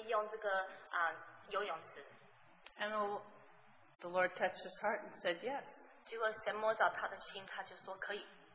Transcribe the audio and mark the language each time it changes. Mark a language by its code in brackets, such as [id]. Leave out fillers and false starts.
[zh] 我那时候就问他说我是基督徒，然后我们需要有个受浸的聚会，我们可不可以用这个游泳池？ [en] And the Lord touched his heart and said yes. [zh] 结果神摸着他的心，他就说可以。